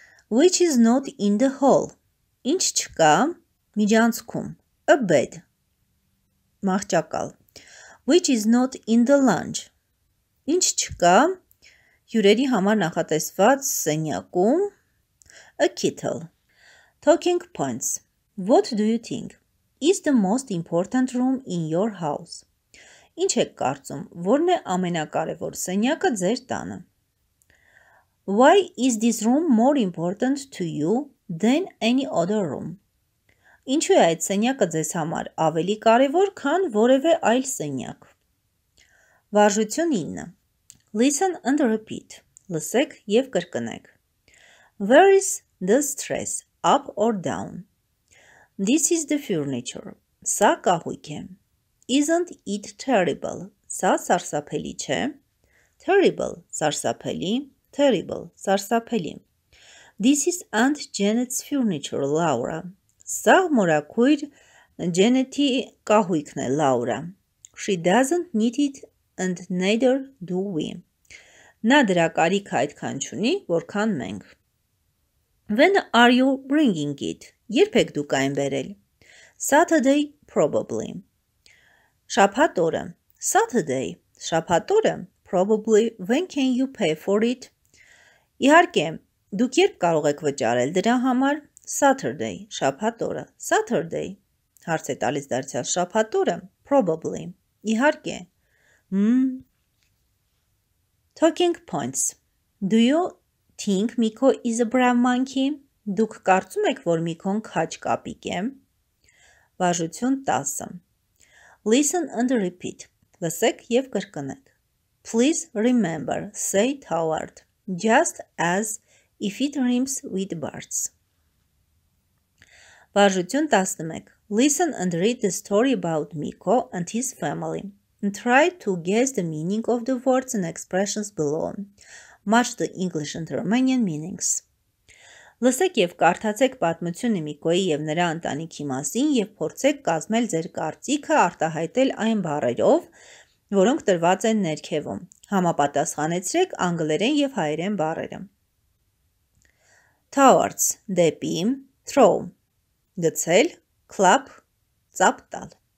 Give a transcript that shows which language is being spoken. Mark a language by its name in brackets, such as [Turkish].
[English] Which is not in the hall? [Armenian] Ինչ չկա միջանցքում. [English] A bed. [Armenian] Մահճակալ. [English] Which is not in the lounge? [Armenian] Ինչ չկա հյուրերի համար նախատեսված սենյակում. [English] A kettle. Talking points. What do you think is the most important room in your house? [Armenian] Ինչ եք կարծում, որն է ամենակարևոր սենյակը ձեր տանը? [English] Why is this room more important to you than any other room? [Armenian] Ինչու է այդ սենյակը ձեզ համար ավելի կարևոր, քան որևէ այլ սենյակ? Վարժություն 9. [English] Listen and repeat. [Armenian] Լսեք և կրկնեք. [English] Where is the stress? Up or down? This is the furniture. [Armenian] Սա կահույք է. [English] Isn't it terrible? [Armenian] Սա սարսափելի չէ. [English] Terrible, [Armenian] սարսափելի. [English] Terrible, [Armenian] սարսափելի. [English] This is Aunt Janet's furniture, Laura. [Armenian] Սա մորաքույր Janet-ի կահույքն է, Laura. [English] She doesn't need it and neither do we. [Armenian] Նա դրա կարիքը այդքան չունի, որքան մենք։ [English] When are you bringing it? [Armenian] Երբ եք դուք այն բերել։ [English] Saturday, probably. [Armenian] Շաբաթ օրը։ [English] Saturday, [Armenian] շաբաթ օրը։ [English] Probably, when can you pay for it? [Armenian] Իհարկե, դուք երբ կարող եք վճարել դրա համար։ Saturday, շաբաթ օրը։ Saturday, հարց է տալիս դարձյալ շաբաթ օրը։ Probably, իհարկե։ [English] Talking points. Do you think Miko is a brown monkey? [Armenian] Դուք կարծում եք, որ Միկոն քաջ կապիկ է։ Վարժություն 10. [English] Listen and repeat. [Armenian] Լսեք և կրկնեք. [English] Please remember, say toward, just as if it rhymes with birds. [Armenian] Վարժություն 11. [English] Listen and read the story about Miko and his family. And try to guess the meaning of the words and expressions below. Match the English and Romanian meanings. [Armenian] Լսեք և կարդացեք պատմությունը Միկոյի և նրա ընտանիքի մասին և փորձեք կազմել ձեր կարծիքը արտահայտել այն բառերով, որոնք տրված են ներքևում։ Համապատասխանեցրեք անգլերեն և հայերեն բառերը։ Towards, դեպի, throw, գցել, clap, ծապ տալ.